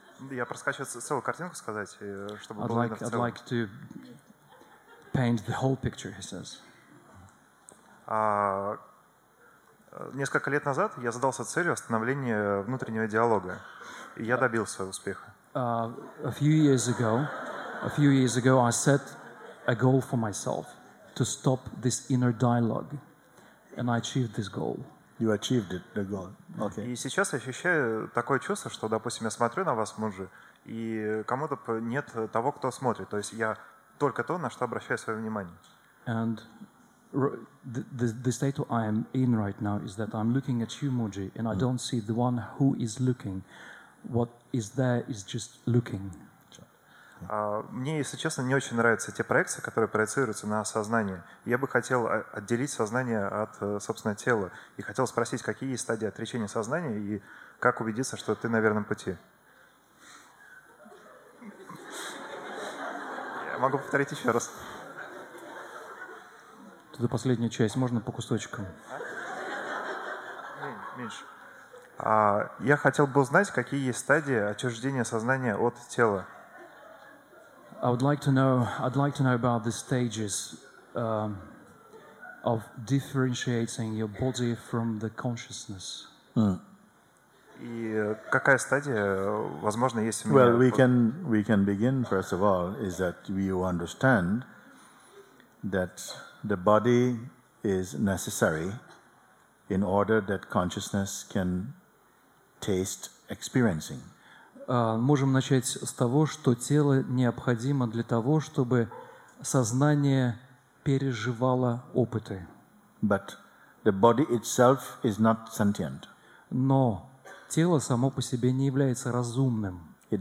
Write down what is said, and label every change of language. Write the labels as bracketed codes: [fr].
[ru] Я проскачу целую картинку сказать, чтобы было видно в целом. [en] I'd like to paint the whole picture, he says. [ru] Несколько лет назад я задался целью остановления внутреннего диалога, и я добился успеха. [en] A few years ago, I set a goal for myself to stop this inner dialogue, and I achieved this goal. You achieved it, the goal. Okay. [ru] И сейчас я ощущаю такое чувство, что, допустим, я смотрю на вас, мужи, и кому-то нет того, кто смотрит. То есть я только то, на что обращаю свое внимание. [en] And the state I am in right now is that I'm looking at you, Moji, and I don't see the one who is looking. What is there is just looking. [ru] Мне, если честно, не очень нравятся те проекции, которые проецируются на сознание. Я бы хотел отделить сознание от собственного тела и хотел спросить, какие есть стадии отречения сознания и как убедиться, что ты на верном пути. Я могу повторить еще раз. Туда последнюю часть. Можно по кусочкам? А? Меньше. Я хотел бы узнать, какие есть стадии отчуждения сознания от тела. [en] I'd like to know about the stages of differentiating your body from the consciousness. [ru] И какая стадия, возможно, есть у меня? [en] Well, we can begin, first of all, is that you understand that the body is necessary in order that consciousness can taste experiencing. [ru] Можем начать с того, что тело необходимо для того, чтобы сознание переживало опыты. [en] But the body itself is not sentient. [ru] Но тело само по себе не является разумным.